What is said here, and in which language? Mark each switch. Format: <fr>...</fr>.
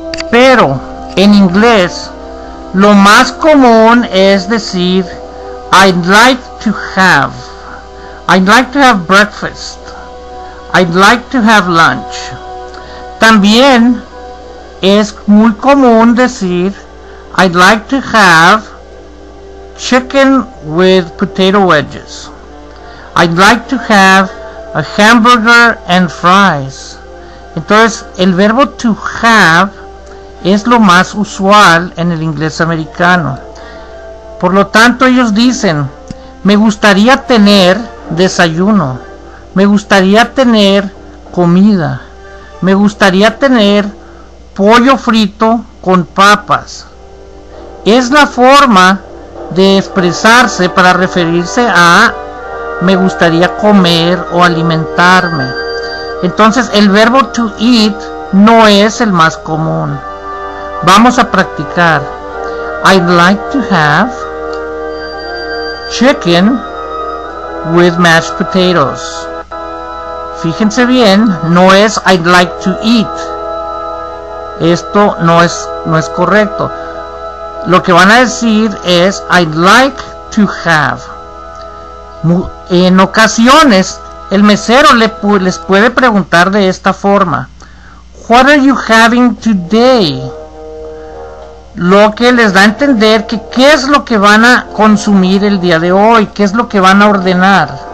<es>Pero en inglés lo más común es decir</es> <en>I'd like to have. I'd like to have breakfast. I'd like to have lunch.</en> <es>También es muy común decir</es> <en>I'd like to have chicken with potato wedges. I'd like to have a hamburger and fries.</en> <es>Entonces, el verbo to have es lo más usual en el inglés americano. Por lo tanto, ellos dicen, me gustaría tener desayuno. Me gustaría tener comida. Me gustaría tener pollo frito con papas. Es la forma de expresarse para referirse a me gustaría comer o alimentarme. Entonces, el verbo to eat no es el más común. Vamos a practicar.</es> <en>I'd like to have chicken with mashed potatoes.</en> <es>Fíjense bien, no es</es> <en>I'd like to eat.</en> <es>Esto no es correcto. Lo que van a decir es</es> <en>I'd like to have.</en> <es>En ocasiones, el mesero les puede preguntar de esta forma.</es> <en>What are you having today?</en> <es>Lo que les da a entender que qué es lo que van a consumir el día de hoy, qué es lo que van a ordenar.</es>